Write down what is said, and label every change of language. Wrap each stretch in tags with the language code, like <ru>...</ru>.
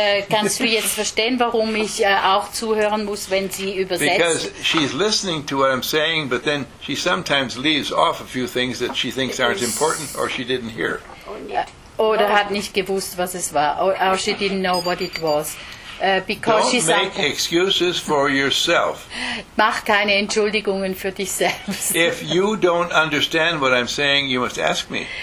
<de>Kannst du jetzt verstehen, warum ich auch zuhören muss, wenn sie übersetzt?</de> <en>Because she's listening to what I'm saying, but then she sometimes leaves off a few things that she thinks aren't important or she didn't hear.</en> <de>Oder hat nicht gewusst, was es war.</de> <en>Or she didn't know what it was. Because don't she make sagt, excuses for yourself.</en> <de>Mach keine Entschuldigungen für dich selbst.</de> <en>If you don't understand what I'm saying, you must ask me.</en>